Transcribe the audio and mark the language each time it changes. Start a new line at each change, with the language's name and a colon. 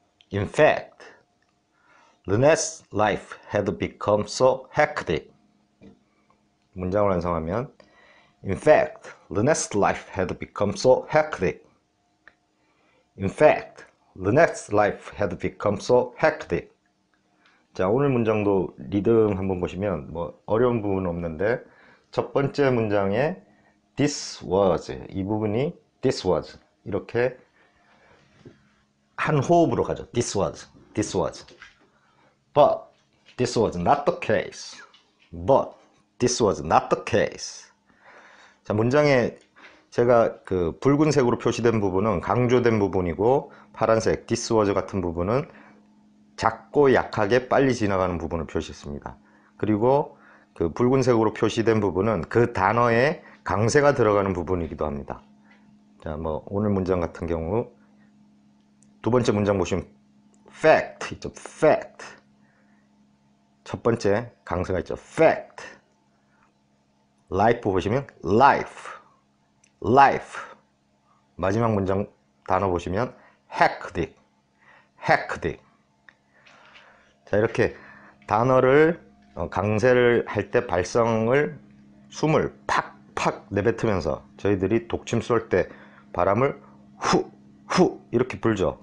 English: In fact, Lynette's life had become so hectic.
Korean: 문장을 완성하면,
English: In fact, Lynette's life had become so hectic. In fact, Lynette's life had become so hectic.
Korean: 자, 오늘 문장도 리듬 한번 보시면 뭐 어려운 부분은 없는데 첫 번째 문장에
English: this was
Korean: 이 부분이 this was 이렇게 한 호흡으로 가죠.
English: This was, this was. But this was not the case. But this was not the case.
Korean: 자, 문장에 제가 그 붉은색으로 표시된 부분은 강조된 부분이고 파란색
English: this was
Korean: 같은 부분은 작고 약하게 빨리 지나가는 부분을 표시했습니다. 그리고 그 붉은색으로 표시된 부분은 그 단어에 강세가 들어가는 부분이기도 합니다. 자, 뭐 오늘 문장 같은 경우 두 번째 문장 보시면 fact 있죠. fact. 첫 번째 강세가 있죠. fact.
English: life
Korean: 보시면
English: life. life.
Korean: 마지막 문장 단어 보시면 hectic.
English: hectic.
Korean: 자, 이렇게 단어를 강세를 할때 발성을 숨을 팍팍 내뱉으면서 저희들이 독침 쏠때 바람을 후후 이렇게 불죠.